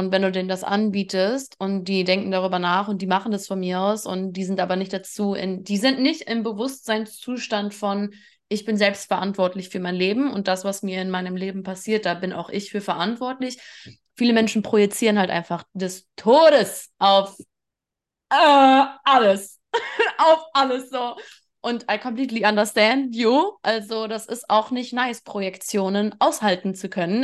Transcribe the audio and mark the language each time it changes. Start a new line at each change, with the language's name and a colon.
German: Und wenn du denen das anbietest und die denken darüber nach und die machen das von mir aus und die sind aber nicht dazu in, die sind nicht im Bewusstseinszustand von, ich bin selbstverantwortlich für mein Leben und das, was mir in meinem Leben passiert, da bin auch ich für verantwortlich. Viele Menschen projizieren halt einfach des Todes auf alles. Auf alles so.
English: Und I completely understand you.
German: Also, das ist auch nicht nice, Projektionen aushalten zu können.